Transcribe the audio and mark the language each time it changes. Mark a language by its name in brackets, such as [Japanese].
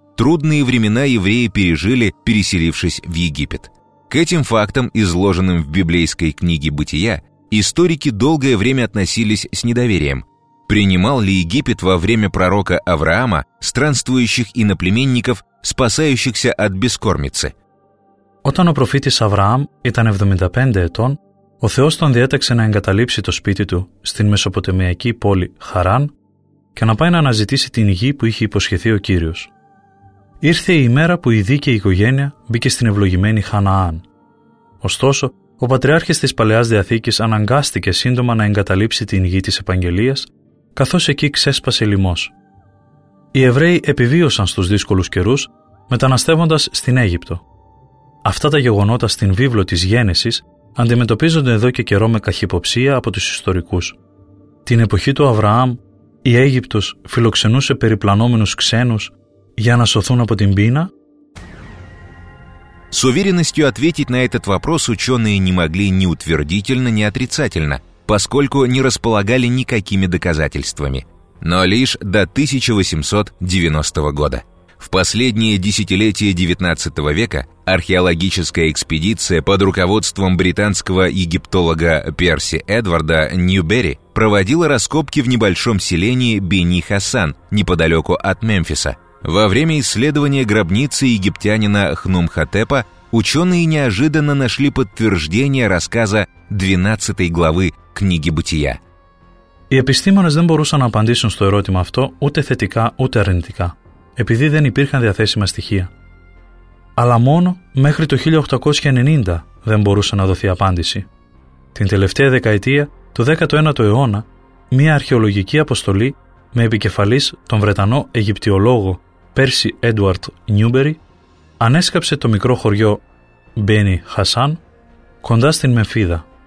[Russian] Трудные времена евреи пережили, переселившись в Египет. К этим фактам, изложенным в библейской книге «Бытия», историки долгое время относились с недоверием. Принимал ли Египет во время пророка Авраама странствующих иноплеменников, спасающихся от бескормицы? [Greek] Όταν ο προφήτης Αβραάμ ήταν 75 ετών, ο Θεός τον διέταξε να εγκαταλείψει το σπίτι του στην μεσοποταμιακή πόλη Χαράν και να πάει να αναζητήσει την γη που είχε υποσχεθεί ο Κύριος. Ήρθε η ημέρα που η δίκαιη οικογένεια μπήκε στην ευλογημένη Χαναάν. Ωστόσο, ο Πατριάρχης της Παλαιάς Διαθήκης αναγκάστηκε σύντομα να εγκαταλείψει την γη της Επαγγελίας, καθώς εκεί ξέσπασε λοιμός. Οι Εβραίοι επιβίωσαν στους δύσκολους καιρούς, μεταναστεύοντας στην Αίγυπτο. Αυτά τα γεγονότα στην βίβλο της Γένεσης αντιμετωπίζονται εδώ και καιρό με καχυποψία από τους ιστορικούς. Την εποχή του Αβραάμ, η Αίγυπτος φιλοξενούσε περιπλανόμενους ξένους για να σωθούν από την πείνα? [Russian] С уверенностью ответить на этот вопрос ученые не могли ни утвердительно, ни отрицательно, поскольку не располагали никакими доказательствами. Но лишь до 1890 года. В последние десятилетия XIX века археологическая экспедиция под руководством британского египтолога Перси Эдварда Ньюберри проводила раскопки в небольшом селении Бени-Хасан неподалеку от Мемфиса. Во время исследования гробницы египтянина Хнумхотепа ученые неожиданно нашли подтверждение рассказа 12 главы книги Бытия. [Greek] Οι επιστήμονες δεν μπορούσαν να απαντήσουν στο ερώτημα αυτό ούτε θετικά ούτε αρνητικά, επειδή δεν υπήρχαν διαθέσιμα στοιχεία. Αλλά μόνο μέχρι το 1890 δεν μπορούσε να δοθεί απάντηση. Την τελευταία δεκαετία, του 19ου αιώνα, μια αρχαιολογική αποστολή με επικεφαλής τον Βρετανό Αιγυπτιολόγο Πέρσι Έντουαρτ Νιούμπερι ανέσκαψε το μικρό χωριό Μπένι Χασάν κοντά στην Μεμφίδα.